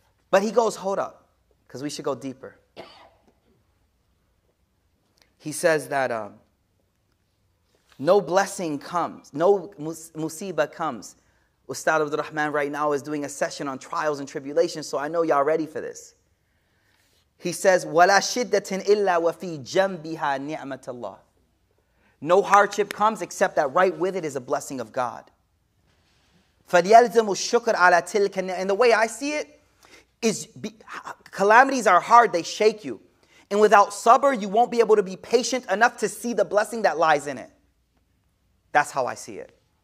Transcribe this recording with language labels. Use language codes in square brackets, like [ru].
[en] But he goes, hold up, because we should go deeper. He says that no blessing comes, no musibah comes. Ustad Abdul Rahman right now is doing a session on trials and tribulations, so I know y'all ready for this. He says, [ar] وَلَا شِدَّةٍ إِلَّا وَفِي جَنْبِهَا نِعْمَةَ اللَّهِ. [en] No hardship comes except that right with it is a blessing of God. [ar] فَلْيَلْزِمُ الشُّكْرَ عَلَى تِلْكَ النِّعْمَةِ. [en] And the way I see it is calamities are hard, they shake you. And without sabr, you won't be able to be patient enough to see the blessing that lies in it. That's how I see it.